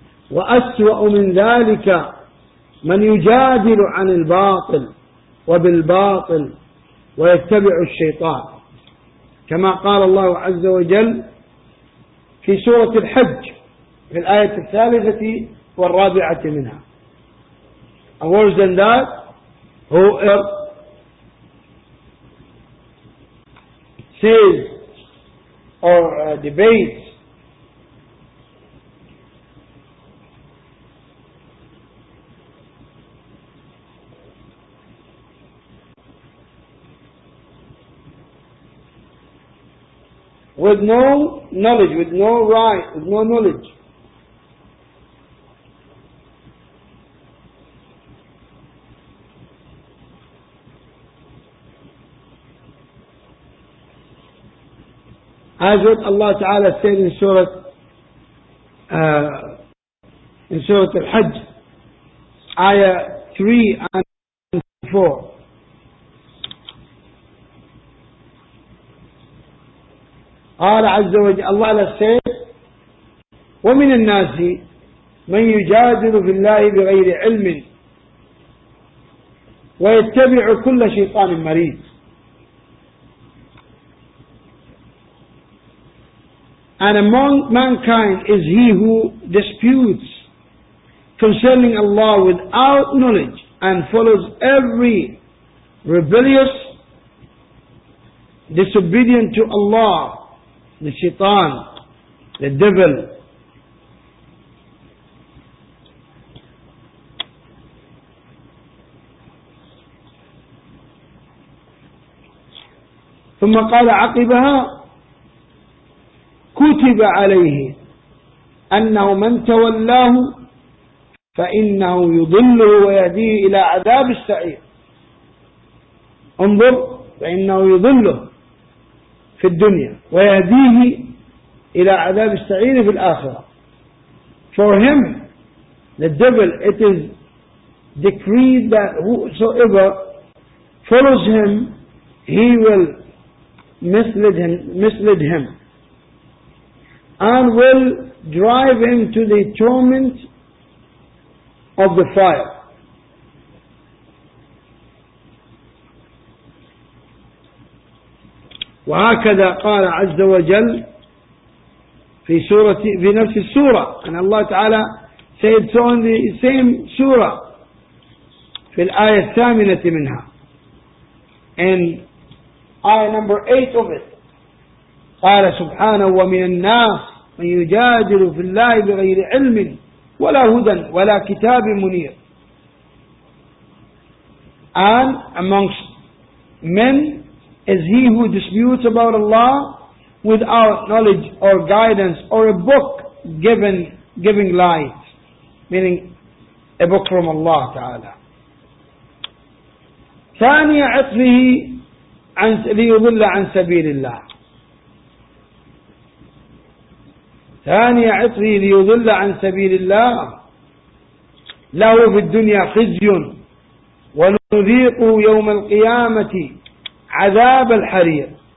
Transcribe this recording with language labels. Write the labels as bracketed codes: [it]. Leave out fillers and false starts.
[ar] وأسوأ من ذلك من يجادل عن الباطل وبالباطل ويتبع الشيطان كما قال الله عز وجل في سورة الحج في الآية الثالثة والرابعة منها. [en] And worse than that, whoever says or debates with no knowledge, with no right, with no knowledge. As what Allah Ta'ala said in Surah Al-Hajj, Ayah 3 and 4. [ar] قال عز وجل الله على السيد ومن الناس من يجادل في الله بغير علم ويتبع كل شيطان مريض. [en] And among mankind is he who disputes concerning Allah without knowledge and follows every rebellious disobedient to Allah, the shaitan, the devil. [ar] ثم قال عقبها كتب عليه أنه من تولاه فإنه يضله ويهديه إلى عذاب السعير. انظر فإنه يضله في الدنيا ويهديه إلى عذاب السعير في الآخرة. [en] For him, the devil, it is decreed that whosoever follows him, he will mislead him, and will drive him to the torment of the fire. [ar] وهكذا قال عز وجل في سورة في نفس السورة. [en] And Allah تعالى said so in the same surah [ar] في الآية الثامنة منها. [en] And ayah number 8 of it. [ar] قال سبحانه ومن الناس من يجادل في الله بغير علم ولا هدى ولا كتاب منير. [en] And amongst men is he who disputes about Allah without knowledge or guidance or a book given, giving light, meaning a book from Allah Ta'ala. [ar] ثانية عطفه عن ليضل عن سبيل الله. ثانية عطفه ليضل عن سبيل الله له في الدنيا خزي ونذيقه يوم القيامة عذاب الحرير.